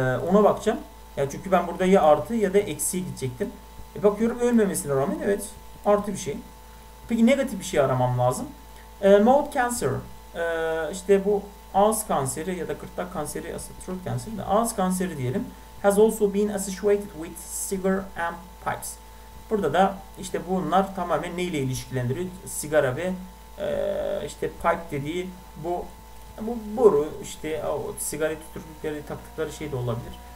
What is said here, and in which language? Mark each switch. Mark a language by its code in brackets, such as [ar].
[tr] Ona bakacağım. Ya çünkü ben burada ya artı ya da eksiye gidecektim. Bakıyorum ölmemesine rağmen, evet, artı bir şey. Peki negatif bir şey aramam lazım. Mouth cancer, işte bu ağız kanseri ya da gırtlak kanseri, aslında throat kanseri de ağız kanseri diyelim. [en] Has also been associated with cigar and pipes. [tr] Burada da işte bunlar tamamen neyle ilişkilendiriyor? Sigara ve işte pipe dediği bu boru, işte o sigara tüttürdükleri, taktıkları şey de olabilir.